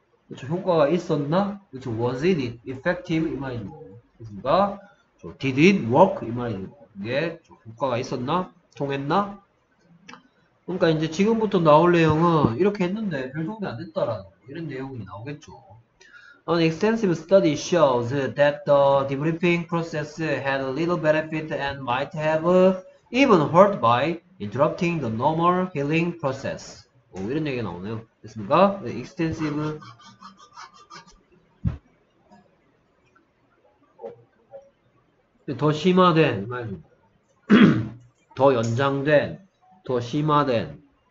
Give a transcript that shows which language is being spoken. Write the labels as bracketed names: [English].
[Korean] 그렇죠. 효과가 있었나? 그렇죠. [English] Was it effective? [Korean] 이 말이죠. 됐습니까? [English] Did it work? [Korean] 이 말이죠. 이게 효과가 있었나? 통했나? 그러니까 이제 지금부터 나올 내용은 이렇게 했는데 별 도움이 안 됐다라는 이런 내용이 나오겠죠. [English] An extensive study shows that the debriefing process had little benefit and might have even hurt by interrupting the normal healing process. [Korean] 오, 이런 얘기가 나오네요. 됐습니까? Extensive 더 심화된, 더 연장된, 더 심화된.